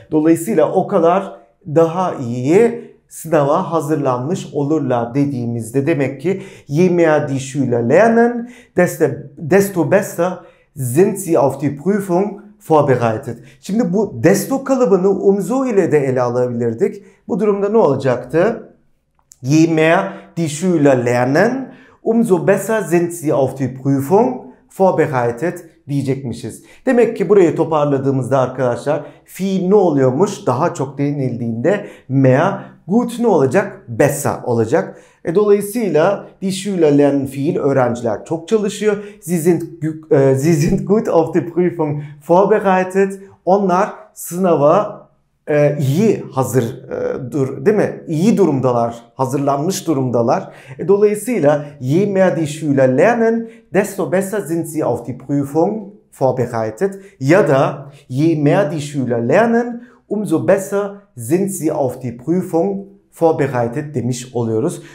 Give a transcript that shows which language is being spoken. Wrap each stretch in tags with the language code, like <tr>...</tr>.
<tr>Dolayısıyla o kadar daha iyi sınava hazırlanmış olurlar dediğimizde demek ki</tr> <de>je mehr die Schüler lernen, desto besser sind sie auf die Prüfung vorbereitet.</de> <tr>Şimdi bu desto kalıbını umso ile de ele alabilirdik. Bu durumda ne olacaktı?</tr> <de>Je mehr die Schüler lernen, umso besser sind sie auf die Prüfung vorbereitet</de> <tr>diyecekmişiz. Demek ki burayı toparladığımızda arkadaşlar fiil ne oluyormuş? Daha çok denildiğinde mehr gut ne olacak? Besser olacak. Dolayısıyla</tr> <de>die Schüler lernen</de> <tr>fiil öğrenciler çok çalışıyor.</tr> <de>Sie sind gut auf die Prüfung vorbereitet.</de> <tr>Onlar sınava iyi hazır dur değil mi? İyi durumdalar, hazırlanmış durumdalar.</tr> <de>Dolayısıyla je mehr die Schüler lernen, desto besser sind sie auf die Prüfung vorbereitet.</de> <tr>Ya da</tr> <de>je mehr die Schüler lernen, umso besser sind sie auf die Prüfung vorbereitet</de> <tr>demiş oluyoruz.</tr>